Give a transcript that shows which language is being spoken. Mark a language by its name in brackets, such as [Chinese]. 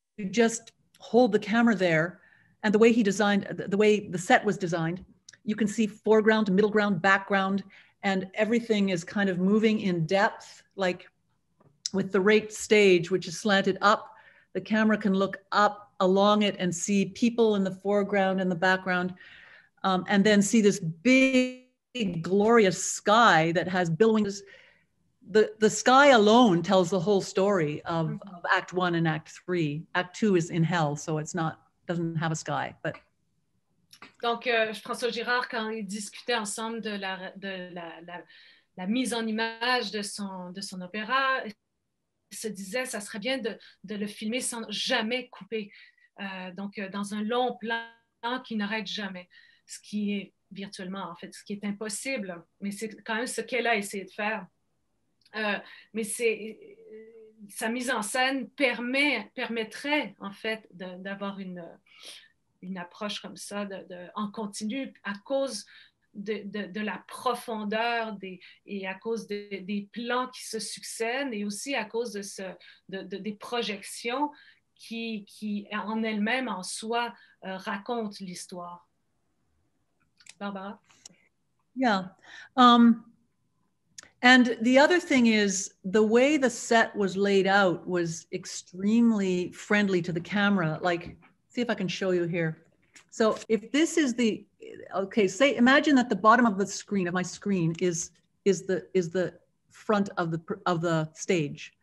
[English] just hold the camera there, and the way he designed, the way the set was designed, you can see foreground, middle ground, background, and everything is kind of moving in depth, like with the raked stage, which is slanted up, the camera can look up along it and see people in the foreground and the background, and then see this big glorious sky that has billowings. The sky alone tells the whole story of Act One and Act Three. Act Two is in hell, so it's not, doesn't have a sky. But [French] donc François Girard, quand ils discutaient ensemble de la mise en image de son opéra, se disait ça serait bien de le filmer sans jamais couper, donc dans un long plan qui n'arrête jamais, ce qui est virtuellement, en fait, ce qui est impossible, mais c'est quand même ce qu'elle a essayé de faire. Mais c'est sa mise en scène permettrait en fait d'avoir une approche comme ça en continu à cause de la profondeur et à cause des plans qui se succèdent et aussi à cause des projections qui en elles-mêmes, en soi, racontent l'histoire. Barbara? [English] Yeah. And the other thing is, the way the set was laid out was extremely friendly to the camera. Like, see if I can show you here. So if this is the, okay, say, imagine that the bottom of the screen, of my screen, is the front of the stage.